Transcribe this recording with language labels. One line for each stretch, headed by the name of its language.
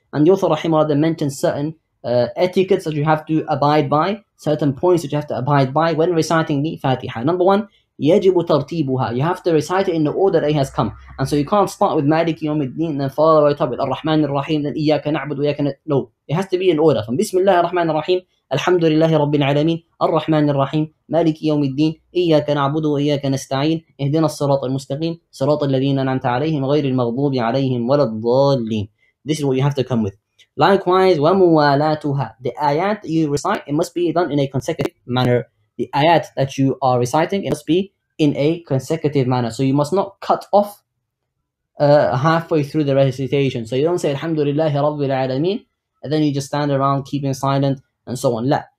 English: And the author Rahimahullah then mentions certain etiquettes that you have to abide by, certain points that you have to abide by when reciting the Fatiha. Number one,
Arabic: يجب ترتيبها.
English: You have to recite it in the order it has come. And so you can't start with
Arabic: مالك يوم الدين
English: then follow it up with
Arabic: الرحمن الرحيم
English: then
Arabic: إياك نعبد وإياك نستعين.
English: No, it has to be in order.
Arabic: From بسم الله الرحمن الرحيم الحمد لله رب العالمين الرحمن الرحيم مالك يوم الدين إياك نعبد وإياك نستعين اهدنا الصراط المستقيم صراط الذين أنعمت عليهم غير المغضوب عليهم ولا الضالين.
English: This is what you have to come with. Likewise, وموالاتها. The ayat you recite, it must be done in a consecutive manner. The ayat that you are reciting, it must be in a consecutive manner. So you must not cut off halfway through the recitation. So you don't say Alhamdulillahi Rabbil Alameen and then you just stand around keeping silent and so on. لا.